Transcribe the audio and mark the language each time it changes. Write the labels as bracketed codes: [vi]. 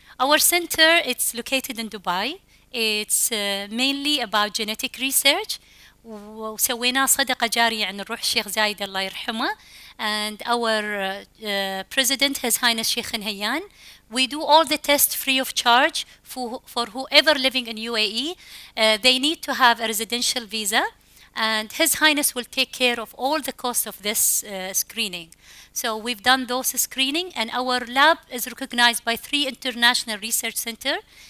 [en] Our center, it's located in Dubai. It's mainly about genetic research. [ar] وسوينا صدقة جارية عن الروح الشيخ زايد الله يرحمه. [en] And our president, His Highness Sheikh Nhayyan. We do all the tests free of charge for whoever living in UAE. They need to have a residential visa. And His Highness will take care of all the costs of this screening. So we've done those screening, and our lab is recognized by 3 international research centers.